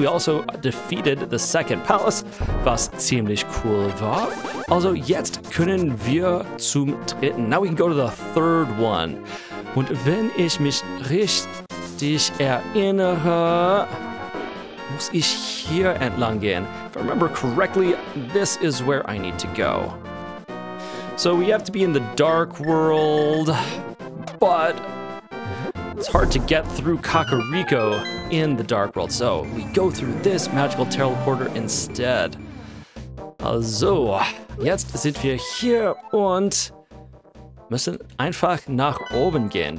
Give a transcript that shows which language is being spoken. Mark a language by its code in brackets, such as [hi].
[en] We also defeated the second palace, [de] was ziemlich cool war. Also jetzt können wir zum dritten. [en] Now we can go to the third one. [de] Und wenn ich mich richtig erinnere, muss ich hier entlang gehen. [en] If I remember correctly, this is where I need to go. So we have to be in the dark world, but it's hard to get through Kakariko in the dark world. So we go through this magical teleporter instead. [de] Also, jetzt sind wir hier und müssen einfach nach oben gehen.